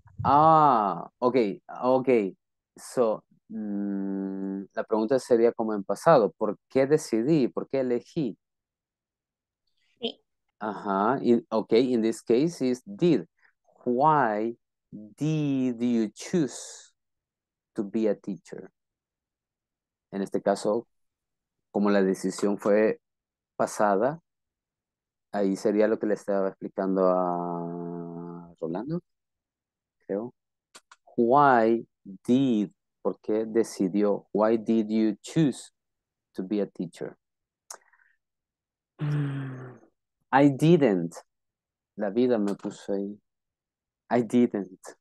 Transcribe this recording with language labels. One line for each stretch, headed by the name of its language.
Spanish: Ah, okay. So La pregunta sería como en pasado. ¿Por qué decidí? ¿Por qué elegí? Sí.
English: Ajá. Ok, in this case is did. Why did you choose to be a teacher?
Spanish: En este caso, como la decisión fue pasada, ahí sería lo que le estaba explicando a Rolando, creo.
English: Why did,
Spanish: ¿por qué decidió?
English: Why did you choose to be a teacher? I didn't.
Spanish: La vida me puso ahí. I didn't.